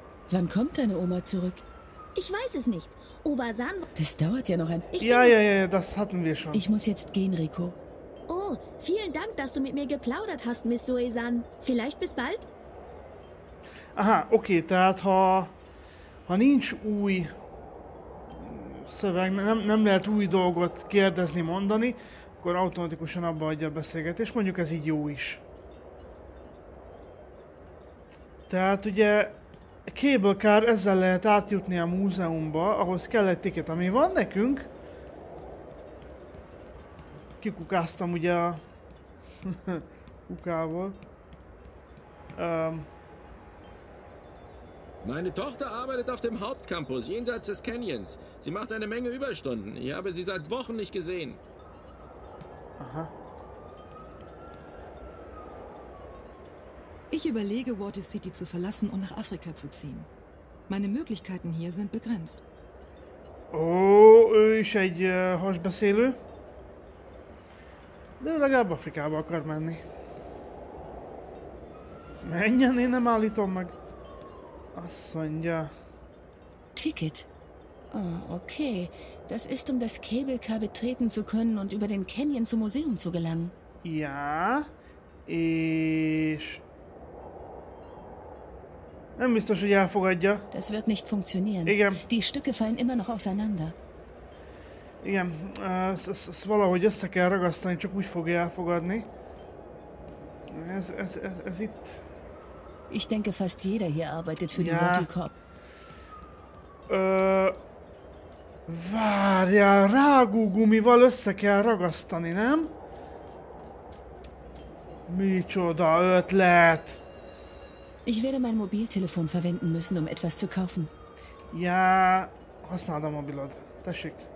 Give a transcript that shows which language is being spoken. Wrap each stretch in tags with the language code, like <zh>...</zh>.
<de>Wann kommt deine Oma zurück? Ich weiß es nicht. Obasan... Das dauert ja noch ein... Ja, das hatten wir schon. Ich muss jetzt gehen, Rico. Oh, vielen Dank, dass du mit mir geplaudert hast, Miss Zoe-san. Vielleicht bis bald?</de> <hu>Aha, okay, tehát ha nincs új szöveg, nem lehet új dolgot kérdezni, mondani, akkor automatikusan abba adja a beszélgetést. Mondjuk ez így jó is. Tehát ugye... A cable car ezzel lehet átjutni a múzeumba, ahhoz kell egy ticket, ami van nekünk. kikukáztam ugye a kukából.</hu> <de>Meine Tochter arbeitet auf dem Hauptcampus, jenseits des Canyons. Sie macht eine Menge Überstunden. Ich habe sie seit Wochen nicht gesehen. Aha. Ich überlege, Water City zu verlassen und nach Afrika zu ziehen. Meine Möglichkeiten hier sind begrenzt.</de> <hu>Oh, ő is egy hasbeszélő. De legalább Afrikába akar menni. Menjen, én nem állítom meg. Azt mondja.</hu> <en>Ticket. Oh, okay.</en> <de>Das ist, um das Kabelkar betreten zu können und über den Canyon zum Museum zu gelangen.</de> <hu>Ja, és... Nem biztos, hogy elfogadja.</hu> <de>Das wird nicht funktionieren.</de> <hu>Igen.</hu> <de>Die Stücke fallen immer noch auseinander.</de> <hu>Igen, ezt valahogy össze kell ragasztani, csak úgy fogja elfogadni. Ez itt...</hu> <de>Ich denke, fast jeder hier arbeitet für den Multicorp.</de> <hu>Várjál, rágógumival össze kell ragasztani, nem? Micsoda ötlet!</hu> <de>Ich werde mein Mobiltelefon verwenden müssen, um etwas zu kaufen.</de> <hu>Ja, használd a mobilod. Tessék.</hu>